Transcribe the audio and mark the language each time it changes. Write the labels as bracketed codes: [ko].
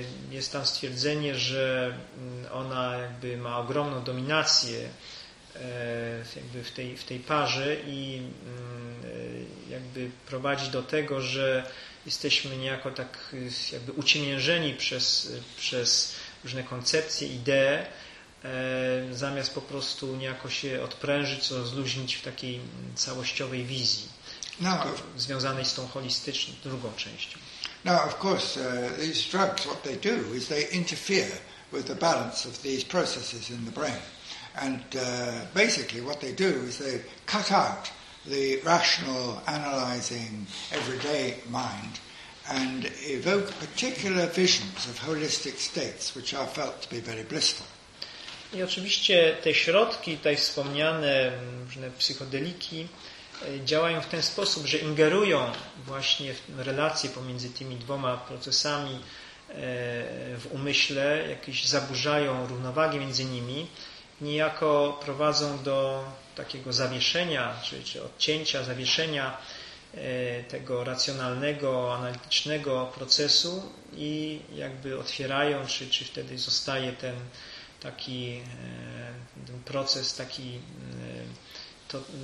[pl] Jest tam stwierdzenie, że ona jakby ma ogromną dominację jakby w tej parze i jakby prowadzi do tego, że jesteśmy niejako tak jakby uciemiężeni przez różne koncepcje, idee, zamiast po prostu niejako się odprężyć, co zluźnić w takiej całościowej wizji związanej z tą holistyczną drugą częścią. [en] Now, of course, these drugs, what they do is they interfere with the balance of these processes in the brain. And basically what they do is they cut out the rational, analyzing, everyday mind and evoke particular visions of holistic states which are felt to be very blissful. [pl] I oczywiście te środki, tutaj wspomniane różne psychodeliki, działają w ten sposób, że ingerują właśnie w relacje pomiędzy tymi dwoma procesami w umyśle, jakieś zaburzają równowagę między nimi, niejako prowadzą do takiego zawieszenia, czy odcięcia, zawieszenia tego racjonalnego, analitycznego procesu i jakby otwierają, czy wtedy zostaje ten taki ten proces, taki to,